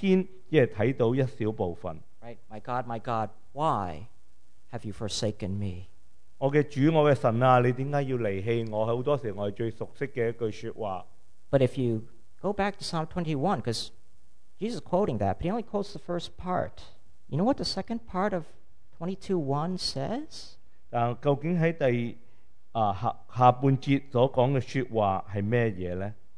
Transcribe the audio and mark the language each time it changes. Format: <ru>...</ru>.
<zh>很多时候我们去讲到耶稣基督在十字架上面的时候，我们看这个诗篇21篇，只是看到一小部分。</zh> <en>Right, my God, why have you forsaken me?</en> <zh>我的主，我的神啊，你为什么要离弃我？很多时候我们最熟悉的一句说话。</zh> <en>But if you go back to Psalm 21, because Jesus is quoting that, but he only quotes the first part. You know what the second part of 22:1 says?</en> <zh>究竟在第 下半节所讲的说话是什么呢？</zh>